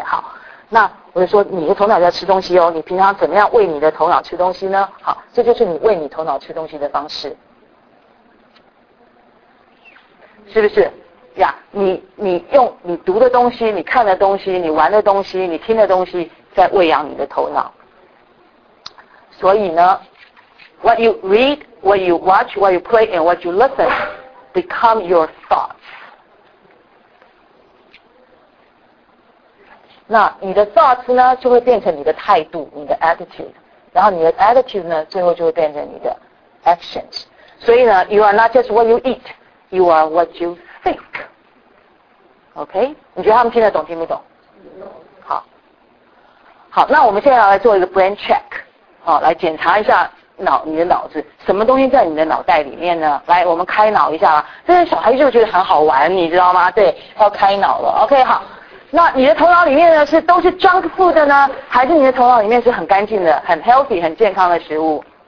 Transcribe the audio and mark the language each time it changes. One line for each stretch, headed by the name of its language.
Chinese: 好，那我就说，你的头脑在吃东西哦。你平常怎么样喂你的头脑吃东西呢？好，这就是你喂你头脑吃东西的方式，是不是？呀，你用你读的东西、你看的东西、你玩的东西、你听的东西，在喂养你的头脑。所以呢
English: ，what you read, what you watch, what you play, and what you listen become your thoughts。
Chinese: 那你的 thoughts 呢，就会变成你的态度、你的 attitude， 然后你的 attitude 呢，最后就会变成你的 actions。所以呢
English: ，you are not just what you eat, you are what you think。
Chinese: OK， 你觉得他们听得懂听不懂？好，好，那我们现在要来做一个 brain check， 好，来检查一下你的脑子，什么东西在你的脑袋里面呢？来，我们开脑一下吧。这些小孩就觉得很好玩，你知道吗？对，要开脑了。OK， 好，那你的头脑里面呢是都是 junk food 的呢，还是你的头脑里面是很干净的、很 healthy、很健康的食物？